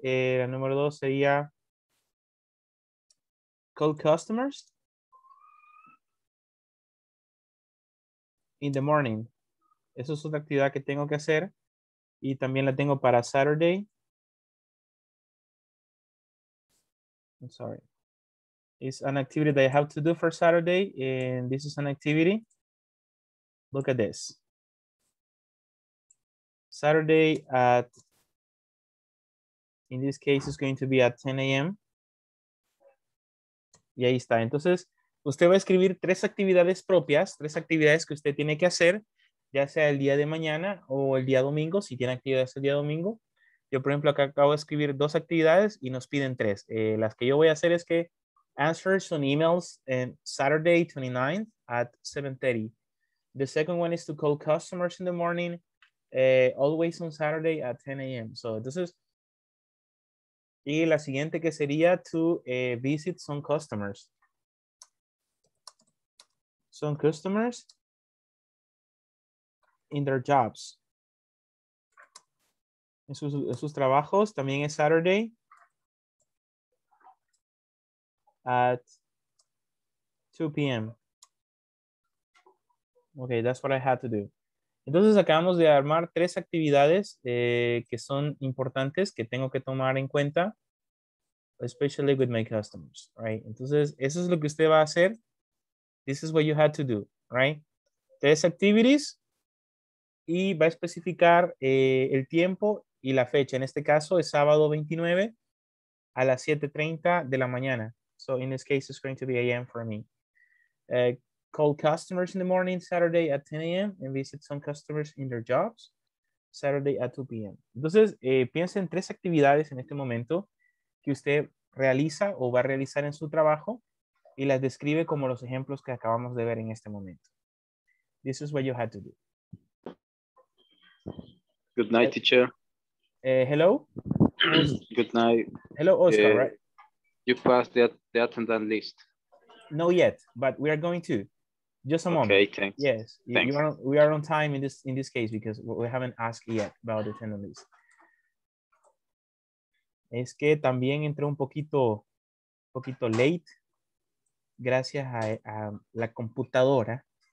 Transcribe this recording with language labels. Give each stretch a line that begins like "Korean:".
Spanish: La número dos sería
English: call customers in the morning.
Spanish: Esa es otra actividad que tengo que hacer y también la tengo para Saturday.
English: I'm sorry. It's an activity that I have to do for Saturday, and this is an activity. Look at this. Saturday at, in this case, it's going to be at 10 a.m.
Spanish: Y ahí está. Entonces, usted va a escribir tres actividades propias, tres actividades que usted tiene que hacer, ya sea el día de mañana o el día domingo, si tiene actividades el día domingo. Yo, por ejemplo, acá acabo de escribir dos actividades y nos piden tres. Las que yo voy a hacer es que
English: answers on emails on Saturday 29th at 7:30. The second one is to call customers in the morning, always on Saturday at 10 a.m. So this is,
Spanish: y la siguiente que sería
English: to visit some customers. Some customers in their jobs.
Spanish: En sus trabajos, también es
English: Saturday at 2 p.m. Okay, that's what I had to do.
Spanish: Entonces acabamos de armar tres actividades que son importantes, que tengo que tomar en cuenta,
English: especially with my customers, right?
Spanish: Entonces eso es lo que usted va a hacer.
English: This is what you had to do, right?
Spanish: Tres activities y va a especificar el tiempo y la fecha. En este caso es sábado 29 a las 7:30 de la mañana.
English: So in this case, it's going to be a.m. for me. Call customers in the morning, Saturday at 10 a.m. and visit some customers in their jobs, Saturday at 2 p.m.
Spanish: Entonces, piensa en tres actividades en este momento que usted realiza o va a realizar en su trabajo y las describe como los ejemplos que acabamos de ver en este momento.
English: This is what you had to do. Good night, teacher. Hello? Good night. Hello, Oscar, right? You passed the attendance list. No yet, but we are going to. Just a moment. Okay, thanks. Yes, thanks. We are on time in this case because we haven't asked yet about the attendance list.
Spanish: Es que también entré un poquito late gracias a la computadora.